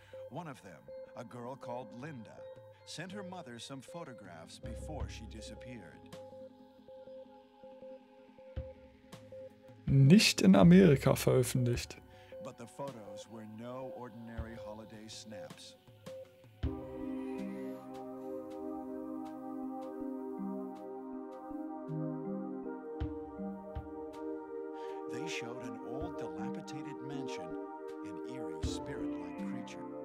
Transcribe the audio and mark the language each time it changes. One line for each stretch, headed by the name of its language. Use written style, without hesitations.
English: One of them, a girl called Linda, sent her mother some photographs before she disappeared.
German: Nicht in Amerika veröffentlicht.
English: But the photos were no ordinary holiday snaps. They showed an old dilapidated mansion, an eerie spirit-like creature.